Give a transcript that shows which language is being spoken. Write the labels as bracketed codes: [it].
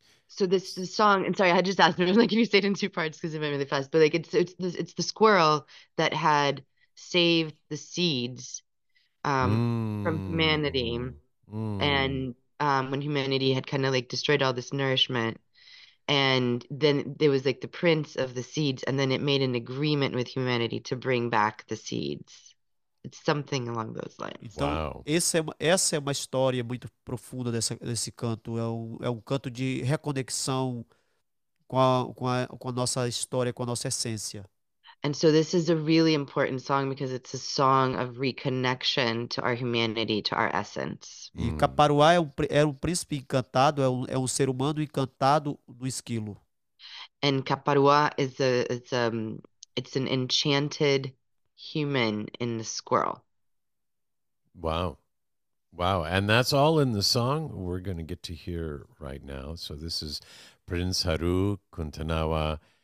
[en] So this song, and sorry, I just asked, I'm like, can you say it in two parts, because it went really fast, but like it's the squirrel that had saved the seeds from humanity. And when humanity had kind of like destroyed all this nourishment, And then there was like the prince of the seeds, and then it made an agreement with humanity to bring back the seeds. It's something along those lines. [pt] Então, essa é uma história muito profunda desse canto. É um canto de reconexão com a nossa história, com a nossa essência. [en] And so this is a really important song because it's a song of reconnection to our humanity, to our essence. [pt] E Caparuá era um príncipe encantado, é um ser humano encantado do esquilo. [en] And Caparua is it's an enchanted human in the squirrel. Wow. And that's all in the song we're going to get to hear right now. So this is Prince Haru Kuntanawa.